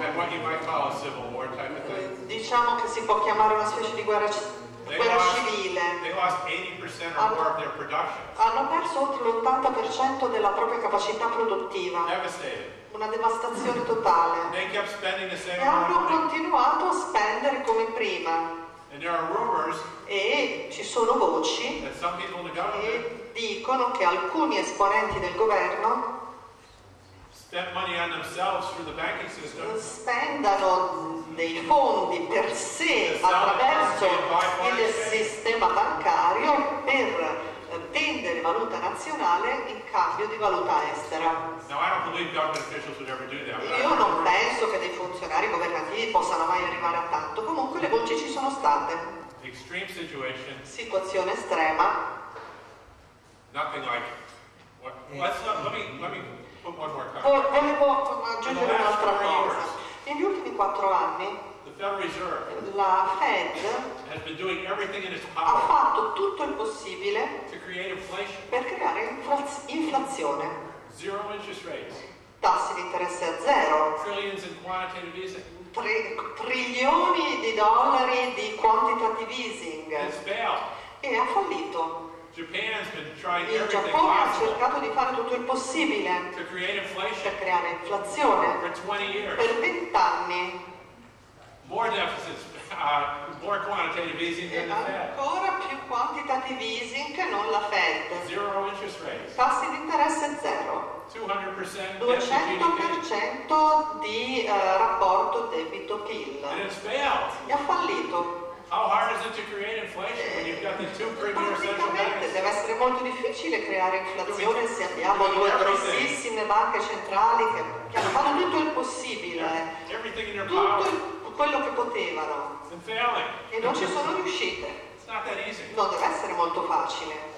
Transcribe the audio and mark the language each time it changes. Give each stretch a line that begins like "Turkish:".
English: And what you might call a civil war type of thing.
Italian: Diciamo che si può chiamare una specie di guerra civile.
English: They lost 80% or more of their production.
Italian: Hanno perso oltre l'80% della propria capacità produttiva.
English: Devastated.
Italian: Una devastazione totale.
English: They kept spending the same
Italian: e hanno continuato a spendere come prima.
English: And there are rumors.
Italian: E ci sono voci.
English: That some people in the government.
Italian: E dicono che alcuni esponenti del governo
English: spend money on themselves through the banking system.
Italian: Spendano dei fondi per sé attraverso il sistema bancario per vendere valuta nazionale in cambio di valuta estera.
English: Now, I don't believe government officials would ever do that, but
Italian: io non penso che dei funzionari governativi possano mai arrivare a tanto. Comunque le voci ci sono state.
English: Extreme situation.
Italian: Situazione estrema.
English: Nothing like what, let me
Italian: volevo aggiungere un'altra cosa. Negli ultimi 4 anni la Fed ha fatto tutto il possibile per creare inflazione.
English: Zero interest rates.
Italian: Tassi di interesse a zero.
English: Trillions in quantitative easing.
Italian: Trilioni di dollari di quantitative easing. E ha fallito. Il Giappone ha cercato di fare tutto il possibile per creare inflazione per 20 anni,
English: more deficits, more quantitative easing than the Fed.
Italian: Ancora più quantitative easing che non la Fed.
English: Zero interest rates.
Italian: Tassi di interesse zero.
English: 200%
Italian: di rapporto debito PIL. E ha fallito.
English: How hard is it to create inflation when you've got the 2 premier central banks?
Italian: Deve essere molto difficile creare inflazione se abbiamo due grossissime banche centrali che hanno fatto tutto il possibile,
English: everything in their
Italian: tutto
English: power.
Italian: Quello che potevano.
English: And failing.
Italian: E non ci sono riuscite.
English: It's not that easy.
Italian: Non deve essere molto facile.